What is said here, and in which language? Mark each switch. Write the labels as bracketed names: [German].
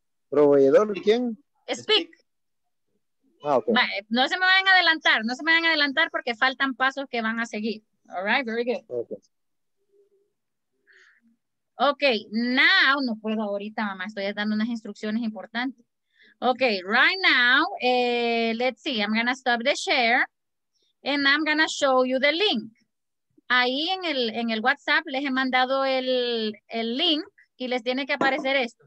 [Spanish] Proveedor, ¿quién? [English] Speak. Ah, okay. [Spanish] No se me vayan a adelantar, no se me vayan a adelantar porque faltan pasos que van a seguir. [English] All right, very good. Okay, [Spanish] now, no puedo ahorita, mamá, estoy dando unas instrucciones importantes. [English] Okay, right now, let's see, I'm going to stop the share and I'm going to show you the link. [Spanish] Ahí en el WhatsApp les he mandado el link y les tiene que aparecer esto.